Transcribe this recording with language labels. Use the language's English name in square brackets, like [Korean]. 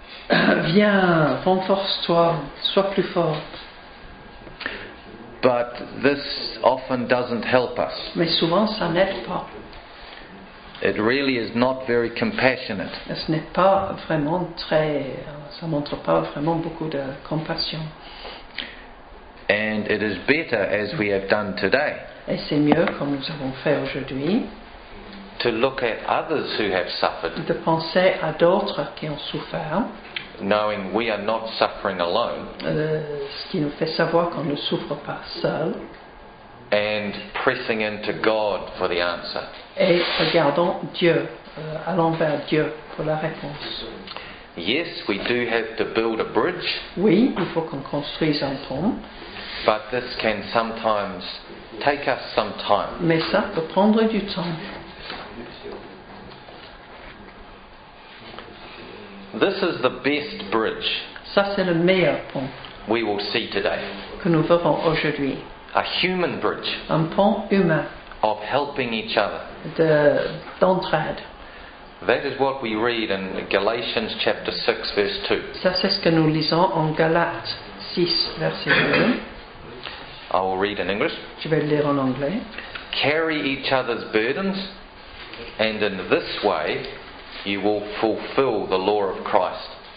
[French] Viens, renforce-toi, sois plus forte. [English] But this often doesn't help us. [French] Mais souvent ça n'aide pas. [English] It really is not very compassionate. [French] Ce n'est pas vraiment très, ça montre pas vraiment beaucoup de compassion. [English] And it is better, as we have done today, [French] et c'est mieux comme nous avons fait aujourd'hui, [English] to look at others who have suffered, [French] de penser à d'autres qui ont souffert, [English] knowing we are not suffering alone, [French] ce qui nous fait savoir qu'on ne souffre pas seul. [English] And pressing into God for the answer. [French] Et regardons Dieu, allons vers Dieu pour la réponse. [English] Yes, we do have to build a bridge. [French] Oui, il faut qu'on construise un pont. [English] But this can sometimes take us some time. [French] Mais ça peut prendre du temps. [English] This is the best bridge. [French] Ça c'est le meilleur pont. [English] We will see today. [French] Que nous verrons aujourd'hui. [English] A human bridge, [French] un pont humain, [English] of helping each other, [French] d'entraide. [English] That is what we read in Galatians chapter 6, verse 2. [French] Ça c'est ce que nous lisons en Galates 6, verset 2. [English] I will read in English. [French] Je vais le lire en anglais. [English] Carry each other's burdens, and in this way, you will fulfill the law of Christ.